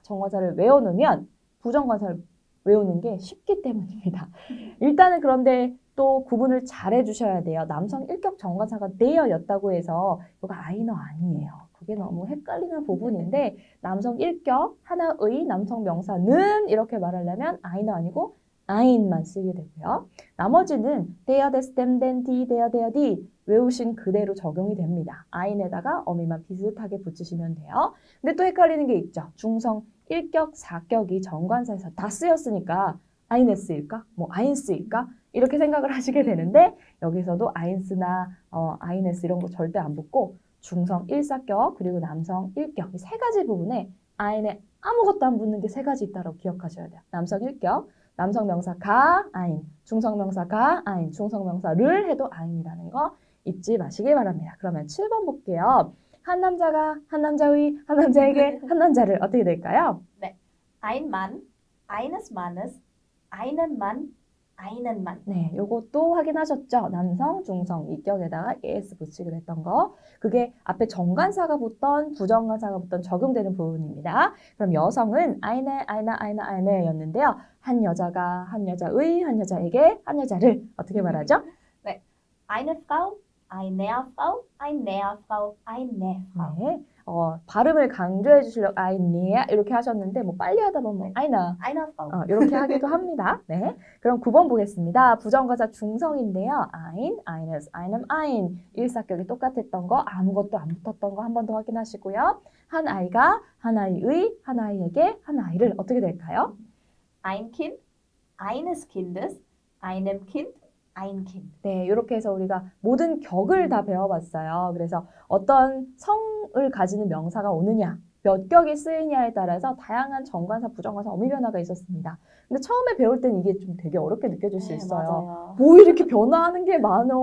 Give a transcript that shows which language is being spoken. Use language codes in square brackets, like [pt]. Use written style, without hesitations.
[ko] 정관사를 외워놓으면 부정관사를 외우는 게 쉽기 때문입니다. 일단은 그런데 또 구분을 잘 해주셔야 돼요. 남성 일격 정관사가 내어였다고 해서 이거 아이너 아니에요. 그게 너무 헷갈리는 부분인데 남성 일격 하나의 남성 명사는 이렇게 말하려면 아이너 아니고 ein만 쓰게 되고요. 나머지는 [de] der, des, dem, den, die, der, der, die [ko] 외우신 그대로 적용이 됩니다. ein에다가 어미만 비슷하게 붙이시면 돼요. 근데 또 헷갈리는 게 있죠. 중성 일격, 사격이 정관사에서 다 쓰였으니까 eines일까? 뭐 eins일까? 이렇게 생각을 하시게 되는데 여기서도 eins나 eines 이런 거 절대 안 붙고 중성 일사격 그리고 남성 일격 이세 가지 부분에 ein에 아무것도 안 붙는 게세 가지 있다고 기억하셔야 돼요. 남성 일격, 남성 명사 가, ein, 중성 명사 가, ein, 중성 명사를 해도 ein이라는 거 잊지 마시기 바랍니다. 그러면 7번 볼게요. 한 남자가 한 남자의 한 남자에게 한 남자를 어떻게 될까요? [de] 네, ein Mann, eines Mannes, einen Mann, einen Mann. [ko] 네, 요것도 확인하셨죠? 남성, 중성, 일격에다가 es 붙이기로 했던 거. 그게 앞에 정관사가 붙던, 부정관사가 붙던 적용되는 부분입니다. 그럼 여성은 [de] eine, eine, eine, eine [ko] 였는데요. 한 여자가, 한 여자의, 한 여자에게, 한 여자를 어떻게 말하죠? [de] 네, eine Frau, eine Frau, eine Frau, eine Frau. [ko] 네, 발음을 강조해 주시려고 eine, 이렇게 하셨는데, 뭐, 빨리 하다 보면 뭐, 아이나. 아이나 파우. 이렇게 하기도 합니다. 네. 그럼 9번 보겠습니다. 부정과자 중성인데요. [de] ein, eines, einem, ein. [ko] 일사격이 똑같았던 거, 아무것도 안 붙었던 거한번더 확인하시고요. 한 아이가 한 아이의 한 아이에게 한 아이를 어떻게 될까요? [de] Ein Kind, eines Kindes, einem Kind, ein Kind. [ko] 네, 이렇게 해서 우리가 모든 격을 다 배워봤어요. 그래서 어떤 성을 가지는 명사가 오느냐, 몇 격이 쓰이냐에 따라서 다양한 정관사, 부정관사, 어미 변화가 있었습니다. 근데 처음에 배울 땐 이게 좀 되게 어렵게 느껴질 수 네, 있어요. 맞아요. 뭐 이렇게 변화하는 게 많어?